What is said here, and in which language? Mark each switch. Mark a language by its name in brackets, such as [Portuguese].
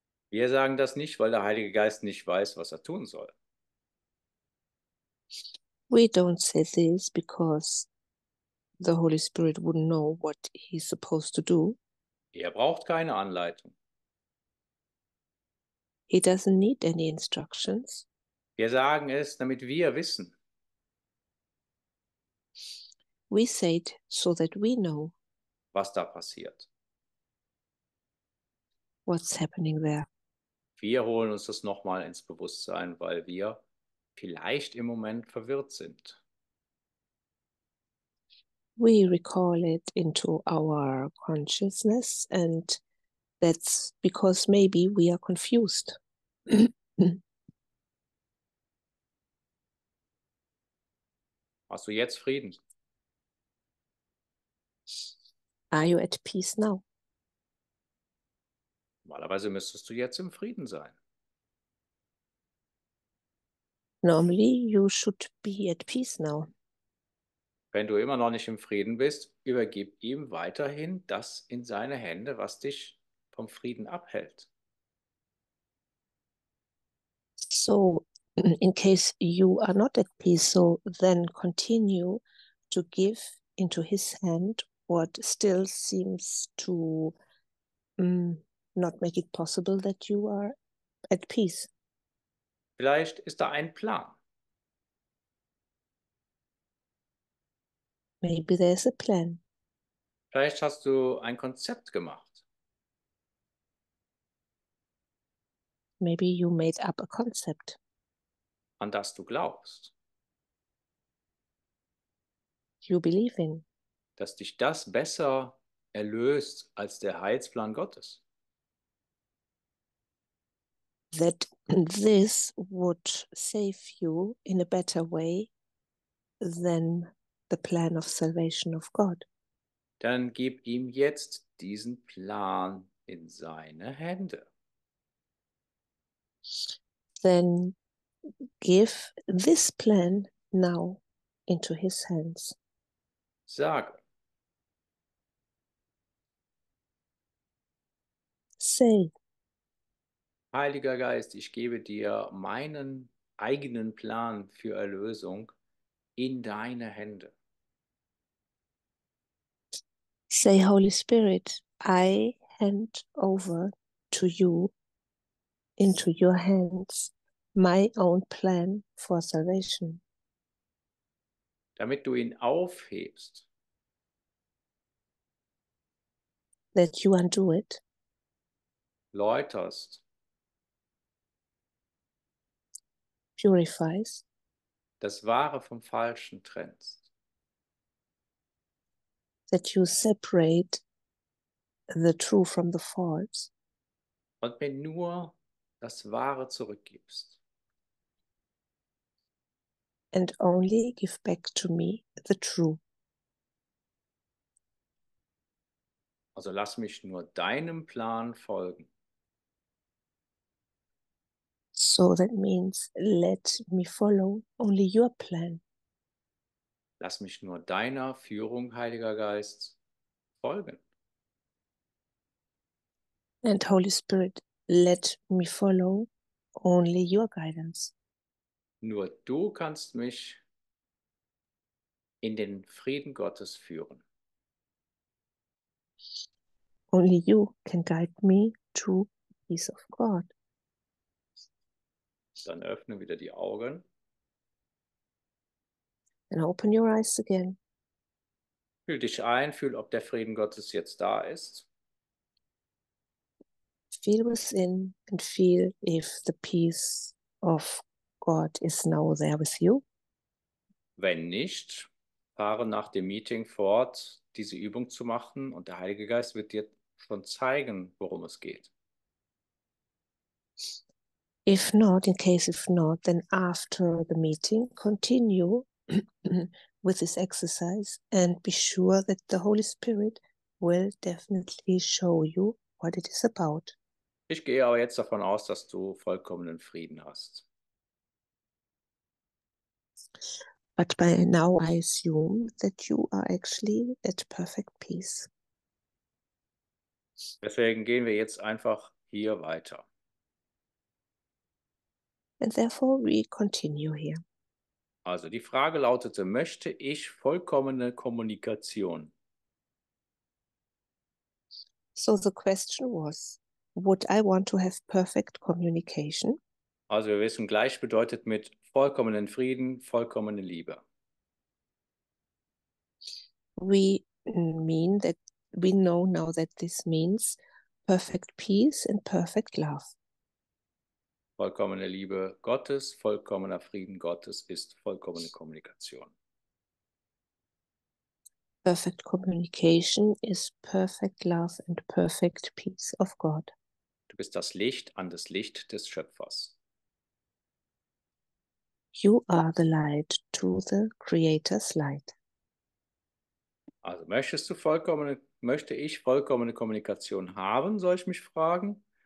[German] Wir sagen das nicht, weil der Heilige Geist nicht weiß, was er tun soll. [English] We don't say this because the Holy Spirit wouldn't know what he's supposed to do. [German] Er braucht keine Anleitung. [English] He doesn't need any instructions. [German] Wir sagen es, damit wir wissen. [English] We say it so that we know. [German] Was da passiert. [English] What's happening there? [German] Wir holen uns das nochmal ins Bewusstsein, weil wir vielleicht im Moment verwirrt sind. [English] We recall it into our consciousness and that's because maybe we are confused. [German] Hast du jetzt Frieden? [English] Are you at peace now? [German] Normalerweise müsstest du jetzt im Frieden sein. [English] Normally you should be at peace now. [German] Wenn du immer noch nicht im Frieden bist, übergib ihm weiterhin das in seine Hände, was dich vom Frieden abhält. [English] So, in case you are not at peace, so then continue to give into his hand what still seems to not make it possible that you are at peace. [German] Vielleicht ist da ein Plan. [English] Maybe there's a plan. [German] Vielleicht hast du ein Konzept gemacht. [English] Maybe you made up a concept. [German] An das du glaubst. [English] You believe in. [German] Dass dich das besser erlöst als der Heilsplan Gottes. [English] That this would save you in a better way than the plan of salvation of God. [German] Dann gib ihm jetzt diesen Plan in seine Hände. [English] Then give this plan now into his hands. [German] Sag. [English] Say. [German] Heiliger Geist, ich gebe dir meinen eigenen Plan für Erlösung in deine Hände. [English] Say, Holy Spirit, I hand over to you, into your hands, my own plan for salvation. [German] Damit du ihn aufhebst. [English] That you undo it. [German] Läuterst. [English] Purifies. [German] Das Wahre vom Falschen trennst. [English] That you separate the true from the false. [German] Und mir nur das Wahre zurückgibst. [English] And only give back to me the true. [German] Also lass mich nur deinem Plan folgen. [English] So that means let me follow only your plan. [German] Lass mich nur deiner Führung, Heiliger Geist, folgen. [English] And Holy Spirit, let me follow only your guidance. [German] Nur du kannst mich in den Frieden Gottes führen. [English] Only you can guide me to peace of God. [German] Dann öffne wieder die Augen. [English] And open your eyes again. [German] Fühl dich ein, fühl, ob der Frieden Gottes jetzt da ist. [English] Feel within and feel if the peace of God is now there with you. [German] Wenn nicht, fahre nach dem Meeting fort, diese Übung zu machen, und der Heilige Geist wird dir schon zeigen, worum es geht. [English] If not, then after the meeting, continue with this exercise and be sure that the Holy Spirit will definitely show you what it is about. [German] Ich gehe aber jetzt davon aus, dass du vollkommenen Frieden hast. [English] But by now I assume that you are actually at perfect peace. [German] Deswegen gehen wir jetzt einfach hier weiter. [English] And therefore we continue here. [German] Also die Frage lautete, möchte ich vollkommene Kommunikation? [English] So the question was, would I want to have perfect communication? [German] Also wir wissen, gleich bedeutet mit vollkommenen Frieden, vollkommene Liebe. [English] We know now that this means perfect peace and perfect love. [German] Vollkommene Liebe Gottes, vollkommener Frieden Gottes ist vollkommene Kommunikation. [English] Perfect communication is perfect love and perfect peace of God. [German] Du bist das Licht an das Licht des Schöpfers. [English] You are the light to the Creator's light. [German] Also möchte ich vollkommene Kommunikation haben, soll ich mich fragen?